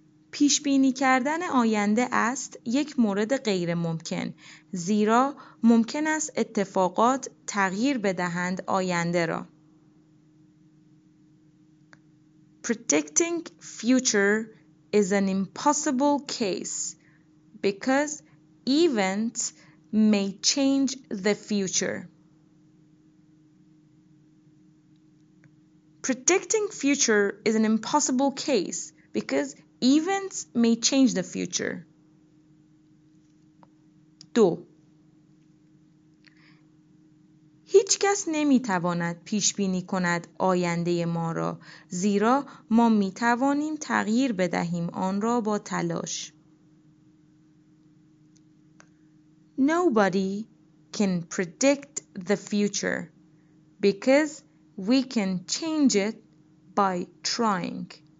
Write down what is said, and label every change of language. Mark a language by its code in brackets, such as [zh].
[fa] پیشبینی کردن آینده است یک مورد غیر ممکن زیرا ممکن است اتفاقات تغییر بدهند آینده را [en] Predicting future is an impossible case because events may change the future. Predicting future is an impossible case because events may change the future. 2. [fa] هیچ کس نمیتواند پیش بینی کند آینده ما را زیرا ما میتوانیم تغییر بدهیم آن را با تلاش. [en] Nobody can predict the future because we can change it by trying.